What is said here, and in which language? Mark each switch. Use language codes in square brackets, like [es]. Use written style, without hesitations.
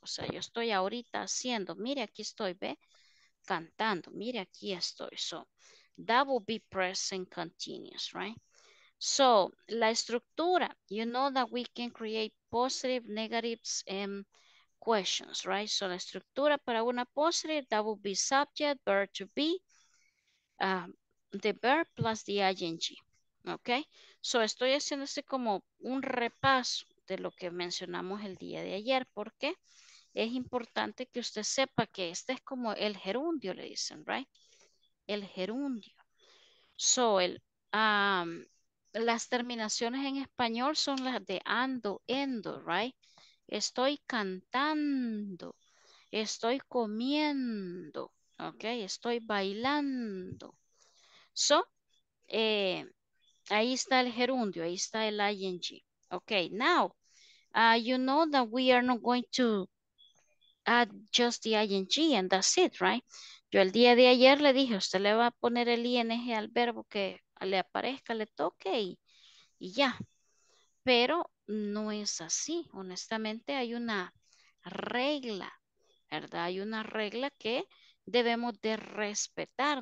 [es] O sea, yo estoy ahorita haciendo, mire, aquí estoy, ve, cantando, mire, aquí estoy. [en] So, that will be present continuous, right? So, [es] la estructura, [en] you know that we can create positive, negatives, and questions, right? So, [es] la estructura para una [en] positive, that will be subject, verb to be, the verb plus the ing, okay? [es] So, estoy haciendo así como un repaso de lo que mencionamos el día de ayer, porque es importante que usted sepa que este es como el gerundio, le dicen, right? El gerundio. So, las terminaciones en español son las de ando, endo, right? Estoy cantando, estoy comiendo, okay? Estoy bailando. So, ahí está el gerundio, ahí está el ing. [en] Okay, now, you know that we are not going to add just the ing and that's it, right? [es] Yo el día de ayer le dije, usted le va a poner el ing al verbo que le aparezca, le toque y ya. Pero no es así. Honestamente, hay una regla, ¿verdad? Hay una regla que debemos de respetar.